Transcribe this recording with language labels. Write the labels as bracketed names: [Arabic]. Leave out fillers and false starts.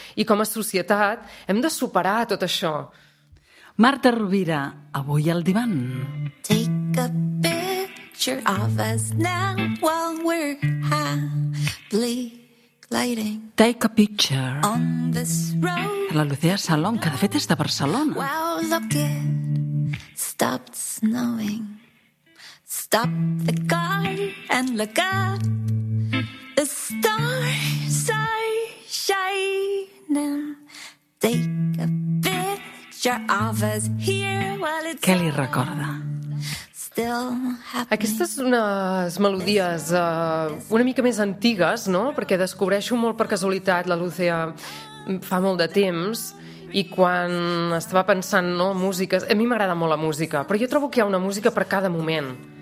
[Catalan] I com a societat hem de superar tot això. Marta Rovira, avui al divan. [English] Take a picture of us now while we're happily lighting. Take a picture. On this road. [Catalan] La Lucía Salón, que de fet és de Barcelona. [English] Well, look it. Stopped snowing. Stop the car and look up. The stars are shining. Take a picture of us here while it's. [Catalan] Què li recorda? [English] Still happening. [Catalan] Aquestes són unes melodies una mica més antigues, no? Perquè descobreixo molt per casualitat la Lucía fa molt de temps. I quan estava pensant, no, músiques... A mi m'agrada molt la música, però jo trobo que hi ha una música per cada moment.